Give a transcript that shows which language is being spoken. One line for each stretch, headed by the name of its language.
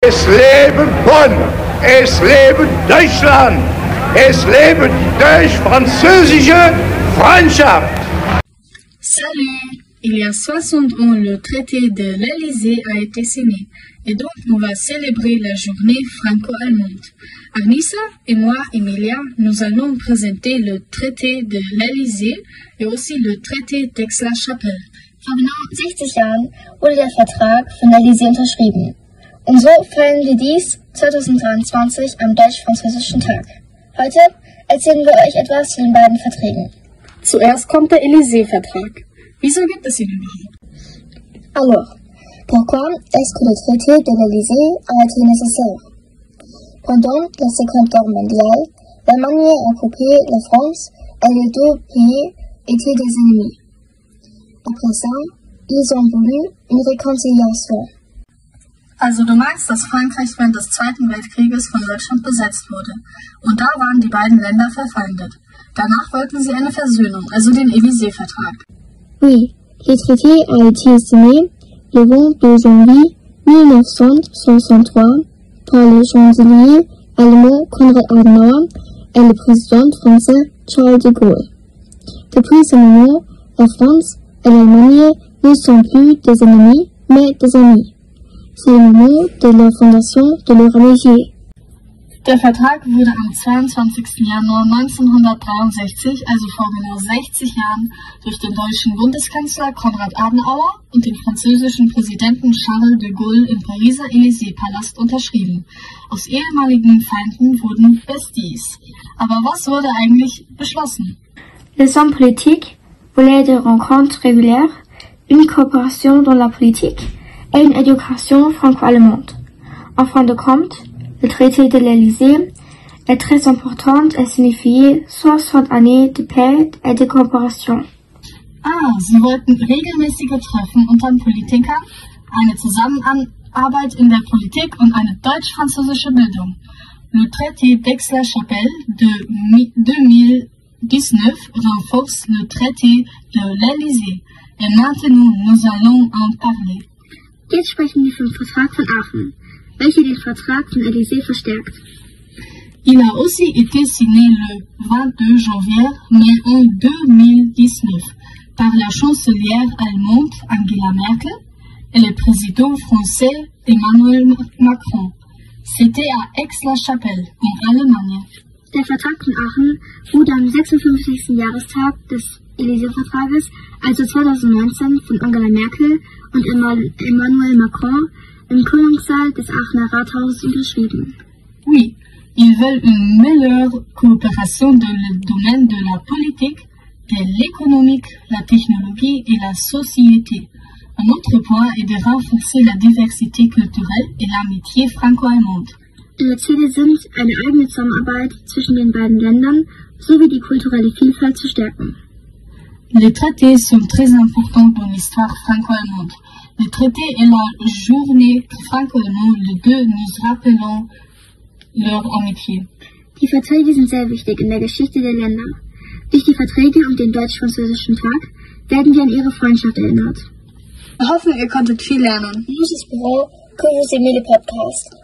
German: Es leben Bonn, es leben Deutschland, es leben deutsch-französische Freundschaft.
French: Salut, il y a 60 ans, le traité de l'Elysée a été signé. Et donc, on va célébrer la journée franco-allemande. Agnissa et moi, Emilia, nous allons présenter le traité de l'Elysée et aussi le traité d'Aix-la-Chapelle.
German: Vor genau 60 Jahren wurde der Vertrag von l'Elysée unterschrieben. Und so feiern wir dies 2023 am Deutsch-Französischen Tag. Heute erzählen wir euch etwas zu den beiden Verträgen. Zuerst kommt der Élysée-Vertrag. Wieso gibt es ihn überhaupt?
French: Alors, pourquoi est-ce que le traité de l'Élysée a été nécessaire? Pendant la Seconde Guerre mondiale, l'Allemagne a occupé la France et les deux pays étaient des ennemis. Après ça, ils ont voulu une réconciliation.
German: Also du meinst, dass Frankreich während des Zweiten Weltkrieges von Deutschland besetzt wurde. Und da waren die beiden Länder verfeindet. Danach wollten sie eine Versöhnung, also den Élysée-Vertrag.
French: Oui, le traité a été signé le 22 janvier 1963 par le chancelier allemand Konrad Adenauer et le président français Charles de Gaulle. Depuis ce moment, la France et l'Allemagne ne sont plus des ennemis, mais des amis. C'est le moment de la fondation de l'Élysée.
German: Der Vertrag wurde am 22. Januar 1963, also vor genau 60 Jahren, durch den deutschen Bundeskanzler Konrad Adenauer und den französischen Präsidenten Charles de Gaulle im Pariser Élysée-Palast unterschrieben. Aus ehemaligen Feinden wurden Besties. Aber was wurde eigentlich beschlossen?
French: Les hommes politiques voulaient des rencontres régulières, une coopération dans la politique et une éducation franco-allemande. En fin de compte, le traité de l'Élysée est très important et signifie 60 années de paix et de coopération.
German: Ah, sie wollten regelmäßige Treffen unter den Politikern, eine Zusammenarbeit in der Politik und eine deutsch-französische Bildung.
French: Le traité d'Aix-la-Chapelle de 2019 renforce le traité de l'Élysée. Et maintenant, nous allons en parler.
German: Jetzt sprechen wir vom Vertrag von Aachen, welche den Vertrag von Élysée verstärkt.
French: Il a aussi été signé le 22 janvier 2019 par la chancelière allemande Angela Merkel et le président français Emmanuel Macron. C'était à Aix-la-Chapelle, en Allemagne.
German: Der Vertrag von Aachen wurde am 56. Jahrestag des Élysée-Vertrages, also 2019, von Angela Merkel und Emmanuel Macron im Königssaal des Aachener Rathauses unterschrieben.
French: Oui, ils veulent une meilleure coopération dans le domaine de la politique, de l'économie, la technologie et la société. Un autre point est de renforcer la diversité culturelle et l'amitié franco-allemande.
German: Ihre Ziele sind, eine eigene Zusammenarbeit zwischen den beiden Ländern sowie die kulturelle Vielfalt zu stärken.
French: Les traités sont très importants dans l'histoire franco-allemande. Le traité et la journée franco-allemande, les deux nous rappelons leur amitié.
German: Die Verträge sind sehr wichtig in der Geschichte der Länder. Durch die Verträge und den deutsch-französischen Tag werden wir an ihre Freundschaft erinnert. Wir hoffen, ihr konntet viel lernen.
French: Juste pour vous, que vous aimez le podcast.